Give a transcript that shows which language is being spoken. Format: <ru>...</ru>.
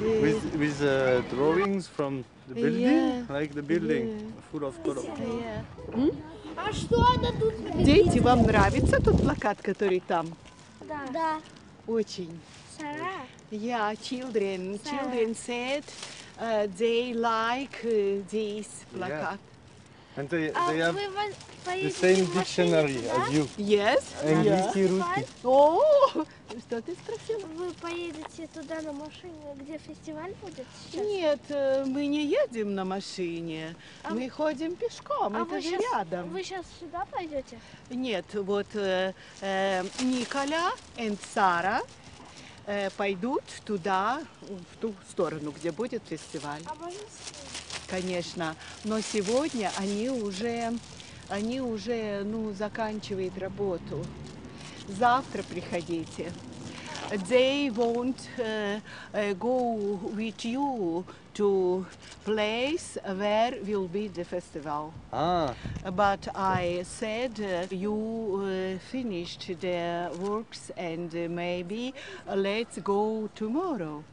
<en>with drawings from the building, like the building full of color. Yeah. Hmm?</en> <ru>Дети, вам нравится тот плакат, который там? Да. Да. Очень. Сара.</ru> <en>Yeah, children. Sarah. Children said they like this placard. Yeah. And they have the same dictionary as you. Yes. English, Russian. Oh, what did you ask?</en> <ru>Вы поедете туда на машине, где фестиваль будет сейчас? Нет, мы не едем на машине. Мы ходим пешком. Это же рядом. Вы сейчас сюда пойдете? Нет, вот Николя and Сара. Пойдут туда, в ту сторону, где будет фестиваль. А можно? Конечно. Но сегодня они уже ну, заканчивают работу. Завтра приходите.</ru> <en>They won't go with you to place where will be the festival. But I said you finished the works and maybe let's go tomorrow.</en>